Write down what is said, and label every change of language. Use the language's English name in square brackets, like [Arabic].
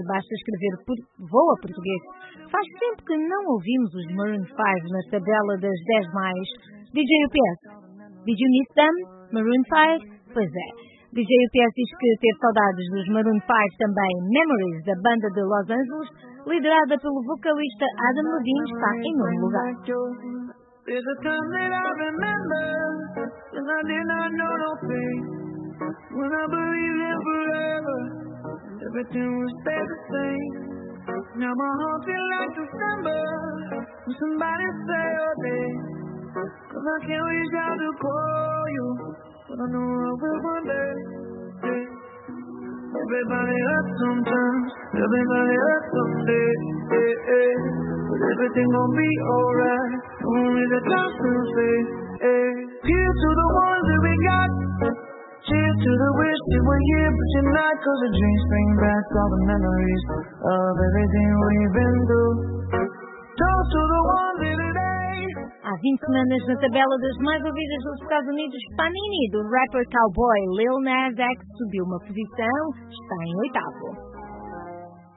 [Portuguese] Basta escrever por Voa Português. Faz tempo que não ouvimos os Maroon 5 na tabela das 10 mais. [English] DJ UPS, did you miss them? Maroon 5? [Portuguese] Pois é. DJ UPS diz que teve saudades dos Maroon 5 também. Memories, da banda de Los Angeles, liderada pelo vocalista Adam Levine, está em nono lugar. [English] There's a time that I remember, when I did not know no pain, when I believed in forever, everything was better the same. Now my heart feels like December, when somebody say your name, cause I can't reach out to call you. But I know I will one day, yeah. Everybody hurts sometimes. Everybody hurts someday, yeah, yeah. But everything gon' be alright. Only the time to say, yeah. Here's to the ones that we got. Cheers to the wish that we're here but you're not. Cause the dreams bring back all the memories of everything we've been through. Talk to the ones that it ain't. [Portuguese] Há 20 semanas na tabela das mais ouvidas dos Estados Unidos, Panini, do rapper cowboy Lil Nas X, subiu uma posição, está em oitavo.